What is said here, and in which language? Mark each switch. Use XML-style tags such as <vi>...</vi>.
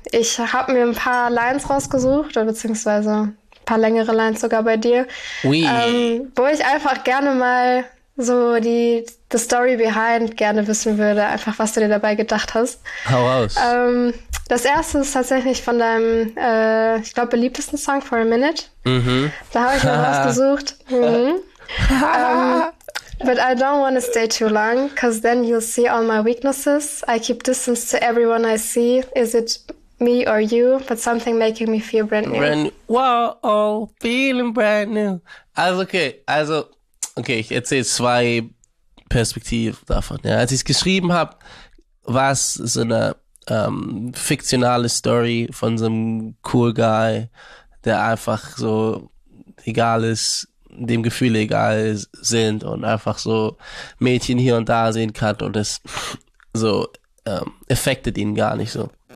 <de>Ich habe mir ein paar Lines rausgesucht, beziehungsweise ein paar längere Lines sogar bei dir, wo ich einfach gerne mal so die Story behind gerne wissen würde, einfach was du dir dabei gedacht hast. Hau raus. Das erste ist tatsächlich von deinem, ich glaube, beliebtesten Song, For a Minute. Mhm. Da habe ich mal rausgesucht. Mhm.</de> <en>But I don't want to stay too long, cause then you'll see all my weaknesses. I keep distance to everyone I see. Is it me or you? But something making me feel brand new. Wow, oh, feeling brand new.</en> <de>Also, okay, ich erzähle zwei Perspektiven davon. Ja, als ich es geschrieben habe, war es so eine fiktionale Story von so einem cool Guy, der einfach so egal ist, dem Gefühle egal sind und einfach so Mädchen hier und da sehen kann und es so affected ihn gar nicht so.</de>